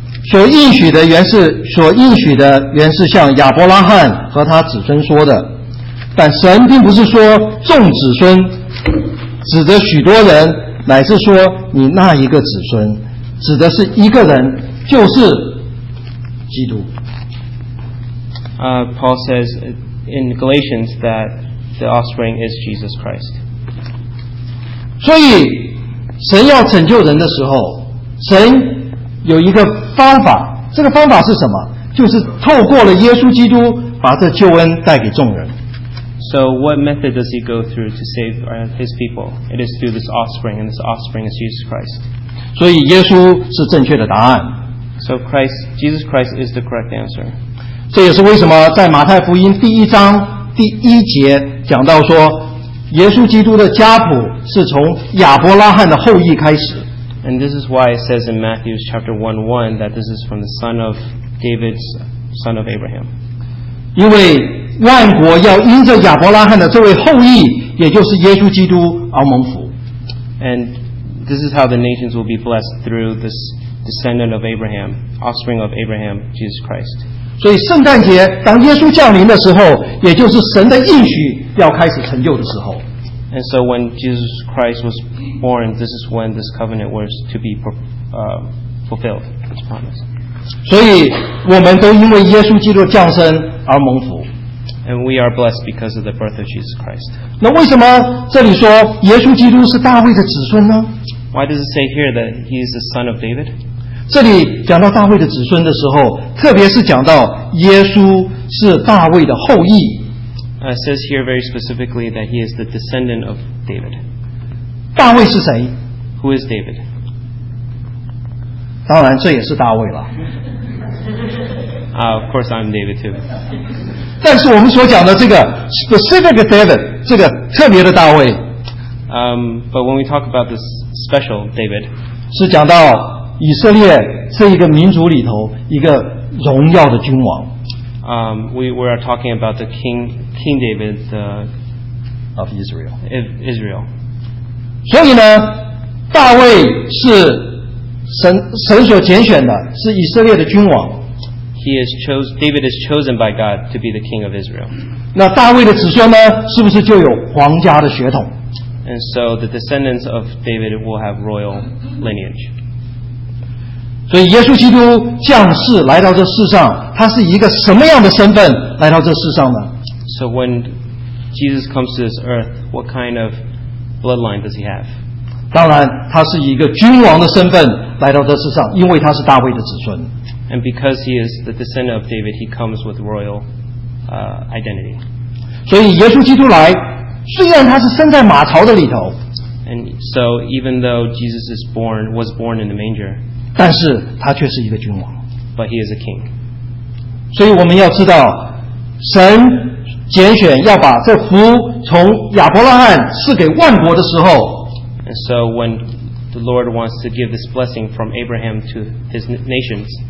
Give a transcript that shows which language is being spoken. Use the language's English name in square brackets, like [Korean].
[Chinese] 所应许的原是像亚伯拉罕和他子孙说的，但神并不是说众子孙，指着许多人，乃是说你那一个子孙，指的是一个人，就是基督。 [English] Paul says in Galatians that the offspring is Jesus Christ. [Chinese] 所以神要拯救人的时候，神有一个方法，这个方法是什么？就是透过了耶稣基督，把这救恩带给众人。 [English] So what method does he go through to save his people? It is through this offspring, and this offspring is Jesus Christ. [Chinese] 所以耶稣是正确的答案。 [English] So Christ, Jesus Christ is the correct answer. [Chinese] 这也是为什么在马太福音第一章第一节讲到说，耶稣基督的家谱是从亚伯拉罕的后裔开始。 [English] And this is why it says in Matthew chapter 1:1 that this is from the son of David's son of Abraham. [Chinese] 因为万国要因着亚伯拉罕的这位后裔，也就是耶稣基督而蒙福。 [English] And this is how the nations will be blessed through this descendant of Abraham, offspring of Abraham, Jesus Christ. [Chinese] 所以圣诞节当耶稣降临的时候，也就是神的应许要开始成就的时候。 [English] And so when Jesus Christ was born, this is when this covenant was to be fulfilled, its promise. [Chinese] 所以我们都因为耶稣基督降生而蒙福。 [English] And we are blessed because of the birth of Jesus Christ. [Chinese] 那为什么这里说耶稣基督是大卫的子孙呢？ [English] Why does it say here that he is the son of David? [Chinese] 这里讲到大卫的子孙的时候，特别是讲到耶稣是大卫的后裔。 [English] It says here very specifically that he is the descendant of David. [Chinese] 大卫是谁？ [English] Who is David? [Chinese] 当然这也是大卫了。 [English] Of course I'm David too. [Chinese] 但是我们所讲的这个 [English] specific David, [Chinese] 这个特别的大卫。 [English] But when we talk about this special David, [Chinese] 是讲到以色列这一个民族里头一个荣耀的君王。 [English] We are talking about the King David of Israel. Israel. [Chinese] 所以呢，大卫是神所拣选的，是以色列的君王。 [English] David is chosen by God to be the king of Israel. [Chinese] 那大卫的子孙呢，是不是就有皇家的血统？ [English] And so the descendants of David will have royal lineage. [Chinese] 所以耶稣基督降世来到这世上，他是一个什么样的身份来到这世上呢？ [English] So when Jesus comes to this earth, what kind of bloodline does he have? [Chinese] 当然，他是一个君王的身份来到这世上，因为他是大卫的子孙。 [English] And because he is the descendant of David, he comes with royal identity. [Chinese] 所以耶稣基督来，虽然他是生在马槽的里头。 [English] And so even though Jesus was born in the manger, [Chinese] 但是他却是一个君王。 [English] But he is a king. [Chinese] 所以我们要知道，神拣选要把这福从亚伯拉罕赐给万国的时候， [English] And so when the Lord wants to give this blessing from Abraham to his nations,